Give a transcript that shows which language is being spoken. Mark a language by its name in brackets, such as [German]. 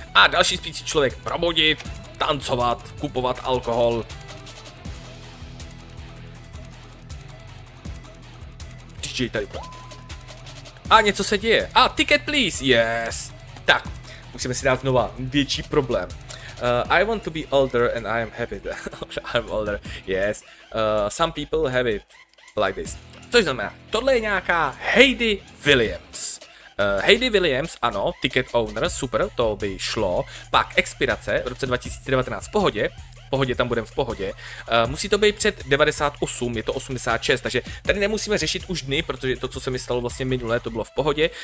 [Czech] A další spící člověk, probudit, tancovat, kupovat alkohol. DJ tady. A něco se děje. A [English] ticket please, yes. [Czech] Tak. Musíme si dát znova větší problém. [English] I want to be older and I am happy. I'm older, yes. Some people have it like this. [Czech] Což znamená, tohle je nějaká Heidi Williams. Heidi Williams, ano, ticket owner, super, to by šlo. Pak expirace v roce 2019, v pohodě tam budeme v pohodě. Musí to být před 98, je to 86, takže tady nemusíme řešit už dny, protože to, co se mi stalo vlastně minulé, to bylo v pohodě.